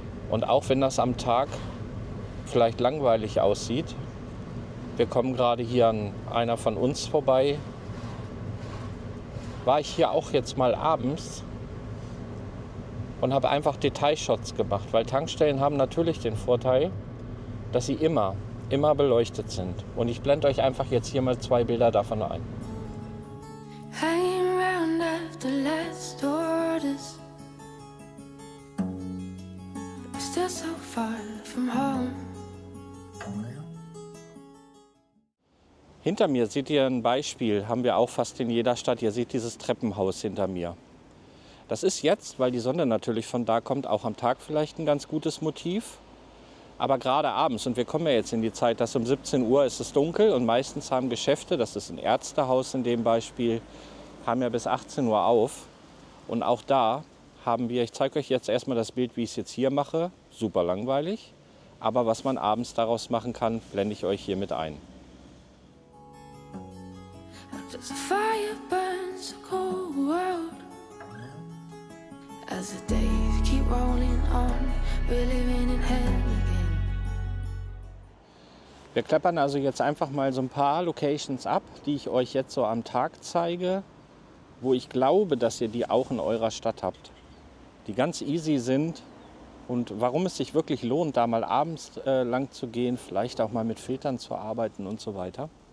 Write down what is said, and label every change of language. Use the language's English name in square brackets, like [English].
[German] Und auch wenn das am Tag vielleicht langweilig aussieht, wir kommen gerade hier an einer von uns vorbei, war ich hier auch jetzt mal abends und habe einfach Detailshots gemacht. Weil Tankstellen haben natürlich den Vorteil, dass sie immer, immer beleuchtet sind. Und ich blende euch einfach jetzt hier mal zwei Bilder davon ein. [English] Hanging round after last orders. Still so far from home. [German] Hinter mir seht ihr ein Beispiel, haben wir auch fast in jeder Stadt. Ihr seht dieses Treppenhaus hinter mir. Das ist jetzt, weil die Sonne natürlich von da kommt, auch am Tag vielleicht ein ganz gutes Motiv. Aber gerade abends, und wir kommen ja jetzt in die Zeit, dass um 17 Uhr ist es dunkel und meistens haben Geschäfte, das ist ein Ärztehaus in dem Beispiel, haben ja bis 18 Uhr auf. Und auch da haben wir, ich zeige euch jetzt erstmal das Bild, wie ich es jetzt hier mache, super langweilig. Aber was man abends daraus machen kann, blende ich euch hier mit ein. [English] As a fire burns a cold world, as the days keep rolling on, we're living in hell again. [German] Wir klappern also jetzt einfach mal so ein paar Locations ab, die ich euch jetzt so am Tag zeige, wo ich glaube, dass ihr die auch in eurer Stadt habt, die ganz easy sind. Und warum es sich wirklich lohnt, da mal abends lang zu gehen, vielleicht auch mal mit Filtern zu arbeiten und so weiter.